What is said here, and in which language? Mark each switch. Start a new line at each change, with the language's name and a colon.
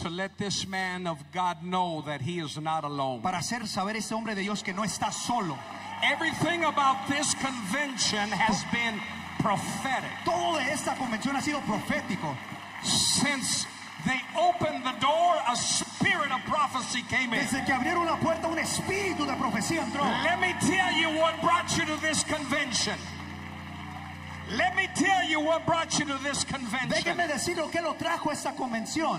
English: To let this man of God know that he is not alone.
Spanish: Para hacer saber ese hombre de Dios que no está solo.
English: Everything about this convention has been prophetic.
Spanish: Todo de esta convención ha sido profético.
English: Since they opened the door, a spirit of prophecy came in.
Spanish: Desde que abrieron la puerta, un espíritu de profecía entró.
English: Let me tell you what brought you to this convention. Let me tell you what brought you to this convention.
Spanish: Déjeme decirlo que lo trajo a esta convención.